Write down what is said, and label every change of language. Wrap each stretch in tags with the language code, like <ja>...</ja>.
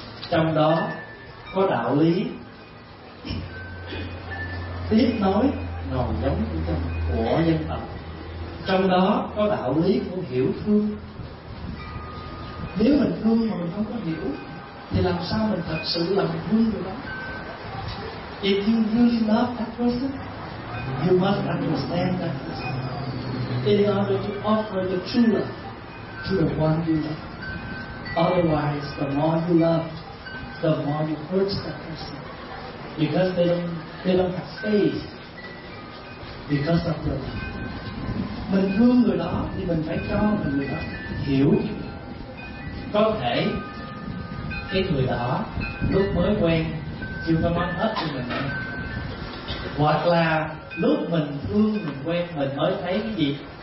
<vi>Trong đó có đạo lý tiếp nối nòi giống của dân tộc. Trong đó có đạo lý của hiểu thương. Nếu mình thương mà mình không có hiểu thì làm sao mình thật sự làm vui được đó?</vi> <en>If you really love that person, you must understand that in order to offer the true love to the one you love. Otherwise, the more you love, the more you hurt that person, because they don't have space because of the love.</en> <vi>Mình thương người đó thì mình phải cho người đó hiểu. Có thể cái người đó lúc mới quen chưa có mang hết cho mình, hoặc là lúc mình thương, mình quen, mình mới thấy cái gì?</vi>